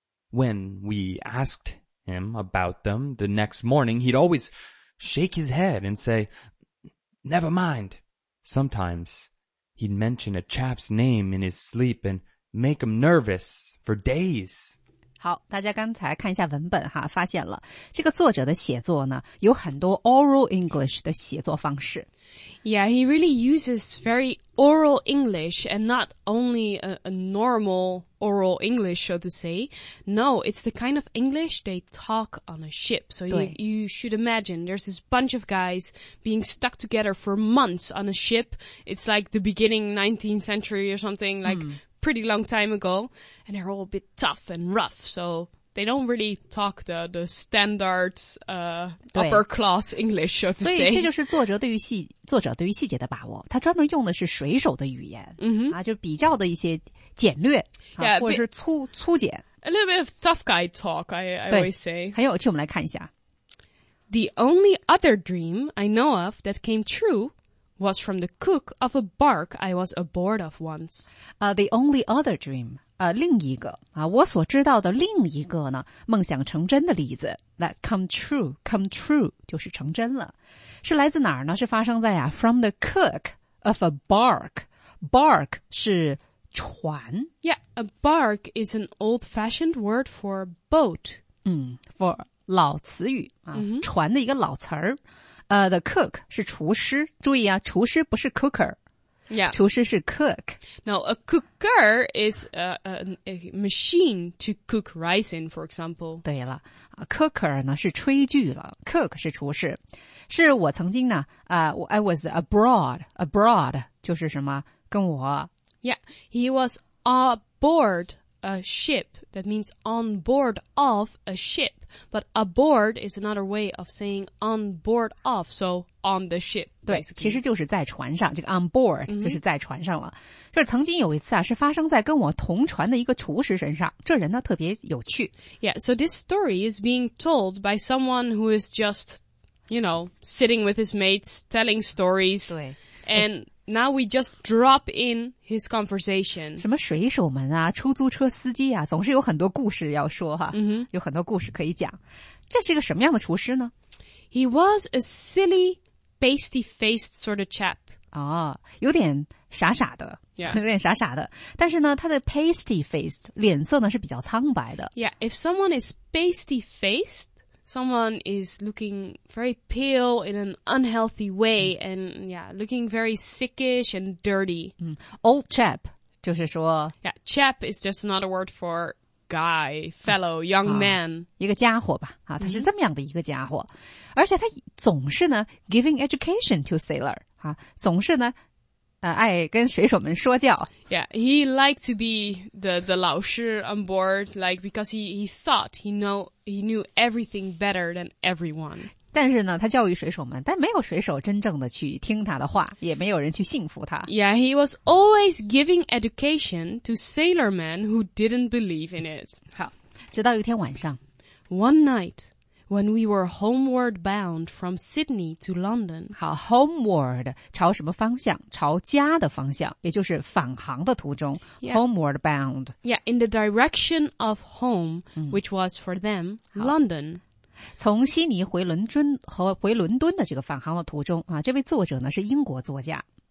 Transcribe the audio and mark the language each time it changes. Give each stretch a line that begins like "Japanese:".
English: When we asked him about them the next morning, he'd always shake his head and say,Never mind. Sometimes he'd mention a chap's name in his sleep and make him nervous for days.
Chinese: 好，大家刚才看一下文本哈，发现了这个作者的写作呢，有很多 oral English 的写作方式。
English: Yeah, he really uses very oral English and not only a normal oral English, so to say. No, it's the kind of English they talk on a ship. So you should imagine there's this bunch of guys being stuck together for months on a ship. It's like the beginning 19th century or something, like pretty long time ago. And they're all a bit tough and rough, so... They don't really talk the standard upper class English, so to say.
Chinese: 所以这就是作者对于细节的把握。他专门用的是水手的语言、 mm-hmm. 啊，就比较的一些简略、啊、 yeah, 或者是粗简。
English: A little bit of tough guy talk, I always say.
Chinese: 很有趣，我们来看一下。
English: The only other dream I know of that came true. Was from the cook of a bark I was aboard of once. The only other dream.
Chinese: 另一个啊，我所知道的另一个呢，梦想成真的例子
English: that come true
Chinese: 就是成真了，是来自哪儿呢？是发生在啊
English: from the cook of a bark.
Chinese: Bark 是船。
English: Yeah, a bark is an old-fashioned word for boat.
Chinese: For 老词语、mm-hmm. 船的一个老词儿。 The cook 是厨师。注意啊，厨师不是 cooker。 Yeah. 厨师是 cook.
English: Now, a cooker is a machine to cook rice in, for example.
Chinese: 对了、cooker 呢是炊具了。 Cook 是厨师。是我曾经呢、
English: I was abroad.
Chinese: Abroad 就是什么跟我。
English: Yeah, he was aboard a ship. That means on board of a ship. But aboard is another way of saying on board of. So on the ship.
Chinese: 对，其实就是在船上。这个 on board 就是在船上了。 Mm-hmm. 这曾经有一次啊，是发生在跟我同船的一个厨师身上。这人呢特别有趣。
English: Yeah, so this story is being told by someone who is just, you know, sitting with his mates, telling stories.
Chinese: 对。
English: And now we just drop in his conversation.
Chinese: 什么水手们啊，出租车司机啊，总是有很多故事要说哈、啊 mm-hmm. 有很多故事可以讲。这是一个什么样的厨师呢？
English: He was a silly, pasty-faced sort of chap.
Chinese: 哦，有点傻傻的。 Yeah. 有点傻傻的。但是呢，他的 pasty-faced, 脸色呢是比较苍白的。
English: Yeah, if someone is pasty-faced,someone is looking very pale in an unhealthy way, and yeah, looking very sickish and dirty.
Chinese: Old chap, 就是说
English: Yeah, chap is just another word for guy, fellow, young man.
Chinese: 一个家伙吧，他是这么样的一个家伙。而且他总是呢
English: giving education to sailor,
Chinese: 总是呢爱跟水手们说教。
English: Yeah, he liked to be the
Chinese: 老师
English: on board, like, because he thought he knew everything better than everyone.
Chinese: 但是呢，他教育水手们，但没有水手真正的去听他的话，也没有人去信服他。
English: Yeah, he was always giving education to sailormen who didn't believe in it.
Chinese: 好，直到一天晚上。
English: One night, when we were homeward bound from Sydney to London.
Chinese: 好 ,homeward, 朝什么方向？朝家的方向，也就是返航的途中。 Yeah.
English: Homeward bound. Yeah, in the direction of home, which was for them, London.
Chinese: 从悉尼回伦敦和回伦敦的这个返航的途中啊，这位作者呢是英国作家。